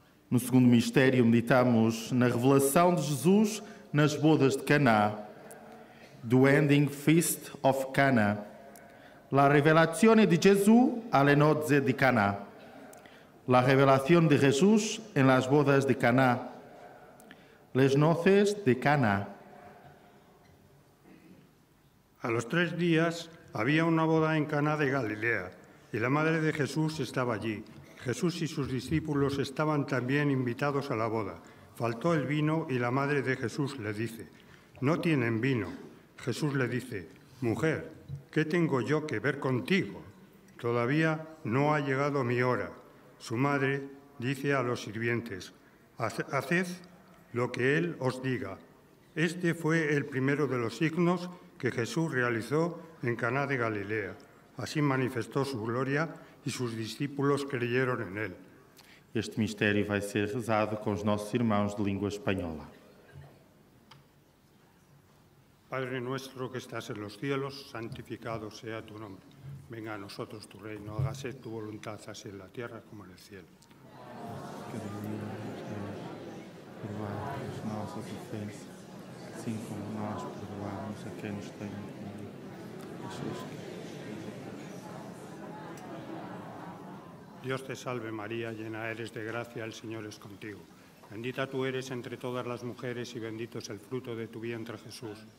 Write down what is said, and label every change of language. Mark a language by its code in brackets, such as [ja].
[pt] No segundo mistério, meditamos na revelação de Jesus nas bodas de Caná, do [en] Ending Feast of Cana. [it] La revelazione di Gesù alle nozze di Cana. La revelazione di Gesù [es] en las bodas de Caná. [fr] Les noces de Cana. [es] A los tres días había una boda en Caná de Galilea y la madre de Jesús estaba allí. Jesús y sus discípulos estaban también invitados a la boda. Faltó el vino y la madre de Jesús le dice, «No tienen vino». Jesús le dice, «Mujer, ¿qué tengo yo que ver contigo? Todavía no ha llegado mi hora». Su madre dice a los sirvientes, «Haced lo que él os diga». Este fue el primero de los signos que Jesús realizó en Caná de Galilea. Así manifestó su gloria [pt] e seus discípulos [es] creyeron en él. [pt] Este mistério vai ser rezado com os nossos irmãos de língua espanhola. [es] Padre nuestro que estás en los cielos, santificado sea tu nombre. Venga a nosotros tu reino, hágase tu voluntad así en la tierra como en el cielo. Que venga a nosotros, [pt] perdoai as nossas ofensas, assim como nós perdoamos a quem nos tem ofendido. [es] Dios te salve, María, llena eres de gracia, el Señor es contigo. Bendita tú eres entre todas las mujeres y bendito es el fruto de tu vientre, Jesús.